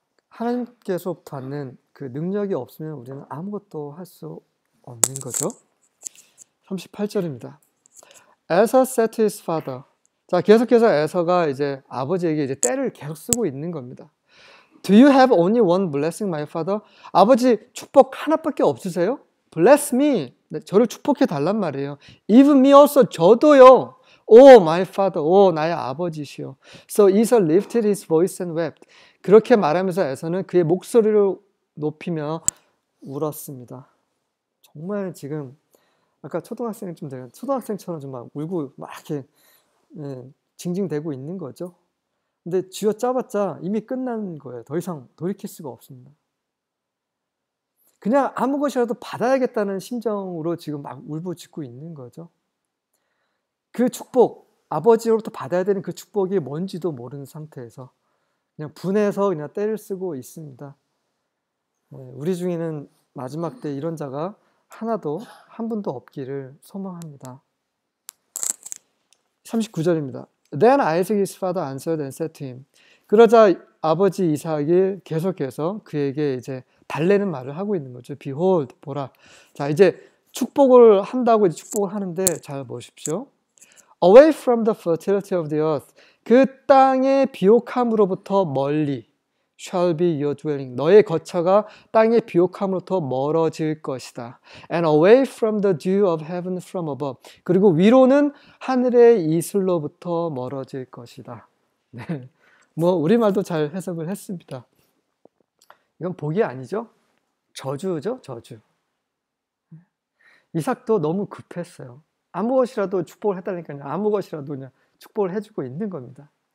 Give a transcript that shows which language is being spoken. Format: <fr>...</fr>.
<ko>하나님께서부터 받는 그 능력이 없으면 우리는 아무것도 할 수 없는 거죠. 38절입니다.</ko> <en>Esau said to his father.</en> <ko>자, 계속해서 에서가 이제 아버지에게 이제 때를 계속 쓰고 있는 겁니다.</ko> <en>Do you have only one blessing, my father?</en> <ko>아버지, 축복 하나밖에 없으세요?</ko> <en>Bless me.</en> <ko>네, 저를 축복해 달란 말이에요.</ko> <en>Even me also,</en> <ko>저도요.</ko> <en>Oh, my father. Oh,</en> <ko>나의 아버지시요.</ko> <en>So Esau lifted his voice and wept.</en> <ko>그렇게 말하면서 에서는 그의 목소리를 높이며 울었습니다. 정말 지금 아까 초등학생 좀 되는 초등학생처럼 좀 막 울고 막 이렇게 네, 징징대고 있는 거죠. 근데 쥐어 짜봤자 이미 끝난 거예요. 더 이상 돌이킬 수가 없습니다. 그냥 아무 것이라도 받아야겠다는 심정으로 지금 막 울부짖고 있는 거죠. 그 축복, 아버지로부터 받아야 되는 그 축복이 뭔지도 모르는 상태에서 그냥 분해서 그냥 때를 쓰고 있습니다. 우리 중에는 마지막 때 이런 자가 하나도 한 분도 없기를 소망합니다. 39절입니다.</ko> <en>Then Isaac his father answered and said to him.</en> <ko>그러자 아버지 이삭이 계속해서 그에게 이제 달래는 말을 하고 있는 거죠.</ko> <en>Behold,</en> <ko>보라. 자, 이제 축복을 한다고 이제 축복을 하는데 잘 보십시오.</ko> <en>Away from the fertility of the earth.</en> <ko>그 땅의 비옥함으로부터 멀리.</ko> <en>Shall be your dwelling.</en> <ko>너의 거처가 땅의 비옥함으로부터 멀어질 것이다.</ko> <en>And away from the dew of heaven from above.</en> <ko>그리고 위로는 하늘의 이슬로부터 멀어질 것이다. 네. 뭐 우리말도 잘 해석을 했습니다. 이건 복이 아니죠? 저주죠? 저주. 이삭도 너무 급했어요. 아무것이라도 축복을 해달라니까요. 아무것이라도 그냥 축복을 해주고 있는 겁니다.</ko>